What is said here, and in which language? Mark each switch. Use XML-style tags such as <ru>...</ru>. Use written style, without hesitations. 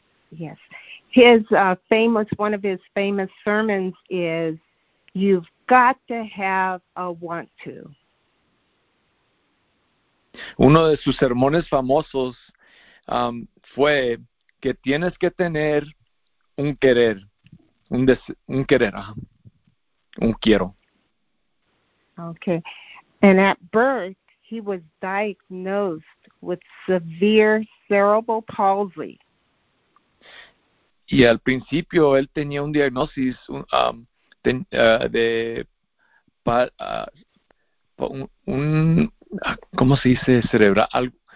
<en>Yes. His famous, one of his famous sermons is, "You've got to have a want to."</en> <es>Uno de sus sermones famosos fue que tienes que tener un querer, un querer, un quiero.</es> <en>Okay. And at birth, he was diagnosed with severe cerebral palsy.</en> <es>Y al principio él tenía un diagnóstico ¿cómo se dice cerebral?</es>